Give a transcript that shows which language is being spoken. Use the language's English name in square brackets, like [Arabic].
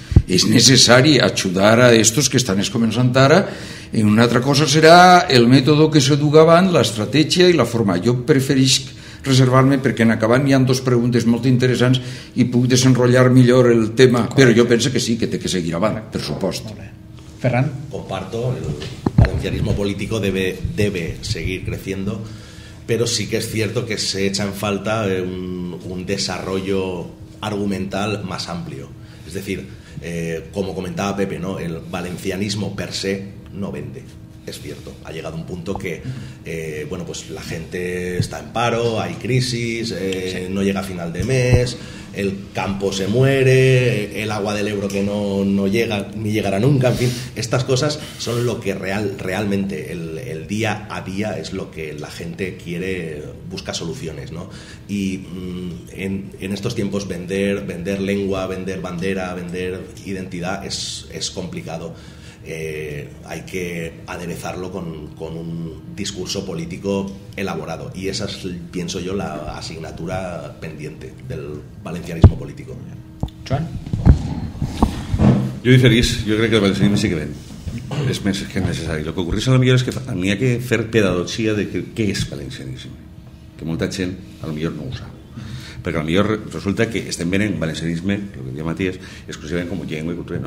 [Catalan] És necessari ajudar a estos que estan començant ara. I una altra cosa serà el mètode que se duga avant, l'estratègia i la forma. Jo preferís reservar-me perquè en acabant hi ha dues preguntes molt interessants i puc desenrotllar millor el tema. D'acord. Però jo penso que sí, que té que seguir avant, per supost. Ferran? [Spanish] Comparto, el valencianismo político debe seguir creciendo, pero sí que es cierto que se echa en falta un desarrollo argumental más amplio. Es decir, como comentaba Pepe, ¿no? El valencianismo per se no vende, es cierto. Ha llegado un punto que pues la gente está en paro, hay crisis, no llega a final de mes, el campo se muere, el agua del Ebro que no llega ni llegará nunca, en fin. Estas cosas son lo que realmente, el día a día, es lo que la gente quiere, busca soluciones, ¿no? Y en estos tiempos vender lengua, vender bandera, vender identidad es complicado. Hay que aderezarlo con un discurso político elaborado, y esa es, pienso yo, la asignatura pendiente del valencianismo político. Joan? [Catalan] Jo diferís, jo crec que el valencianisme sí que ven, és més que necessari. El que ocorre a lo millor és que n'hi ha que fer pedagogia de què és valencianisme, que molta gent a lo millor no ho sap, perquè a lo millor resulta que estem venent valencianisme, el que diu Matías, exclusivament com llengua i cultura.